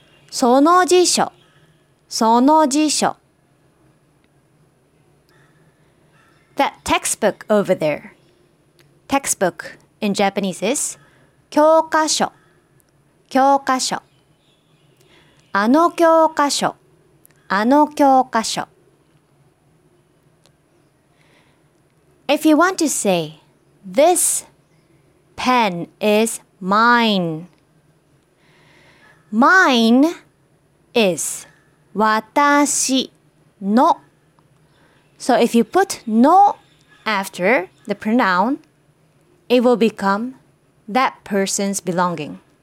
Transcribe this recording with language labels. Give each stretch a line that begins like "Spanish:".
Japanese: その辞書, その辞書.
English: That textbook over there, textbook in Japanese is
Japanese: 教科書, 教科書. あの教科書, あの教科書.
English: If you want to say, this pen is mine. Mine is 私の. So if you put の after the pronoun, it will become that person's belonging.